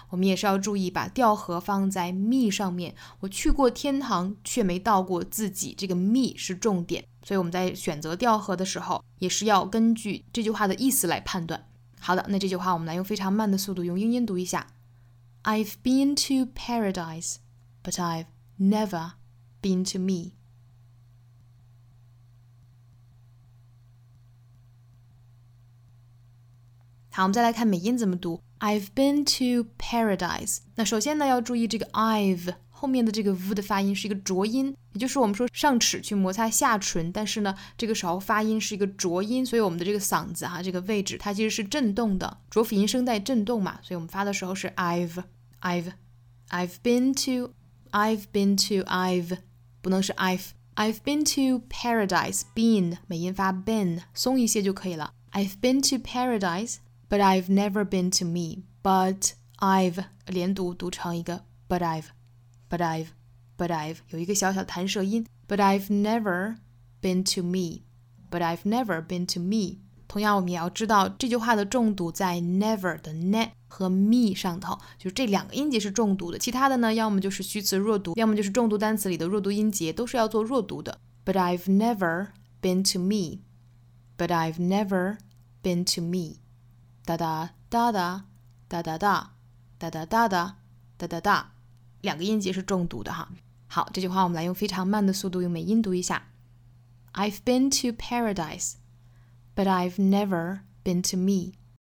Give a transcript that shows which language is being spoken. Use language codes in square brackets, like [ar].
[zh] 我们也是要注意把调和放在 me 上面，我去过天堂却没到过自己，这个 me 是重点，所以我们在选择调和的时候也是要根据这句话的意思来判断。好的，那这句话我们来用非常慢的速度用英音读一下。 [en] I've been to paradise but I've never been to me。 [zh] 好，我们再来看美音怎么读。 [en] I've been to paradise， [zh] 那首先呢要注意这个 I've 后面的这个 V 的发音是一个浊音，也就是我们说上齿去摩擦下唇，但是呢这个时候发音是一个浊音，所以我们的这个嗓子啊，这个位置它其实是震动的，浊辅音声带震动嘛，所以我们发的时候是 I've [en] been to I've [zh] 不能是 [en] I've been to paradise， been [zh] 美音发 [en] been， [zh] 松一些就可以了。 [en] I've been to paradise but I've never been to me， but I've [zh] 连读读成一个 [en] but I've, but I've, but I've [zh] 有一个小小弹舌音 [en] but I've never been to me, but I've never been to me。 [zh] 同样我们也要知道这句话的重读在 never 的 ne 和 me 上头，就是这两个音节是重读的，其他的呢要么就是虚词弱读，要么就是重读单词里的弱读音节，都是要做弱读的。 [en] But I've never been to me, but I've never been to me。 [zh] 哒哒哒哒哒哒哒哒哒哒哒哒哒哒，两个音节是重读的哈。好，这句话我们来用非常慢的速度用美音读一下。 [en] I've been to paradiseBut I've never been to me.